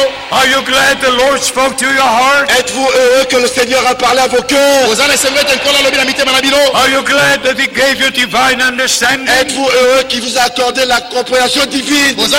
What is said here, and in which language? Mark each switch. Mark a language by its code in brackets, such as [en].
[en] Are you glad the Lord spoke to your heart? [fr] Êtes-vous heureux que le Seigneur a parlé à vos cœurs? [en] Are you glad that he gave you divine understanding? [fr] Êtes-vous heureux qu'il vous a accordé la compréhension divine?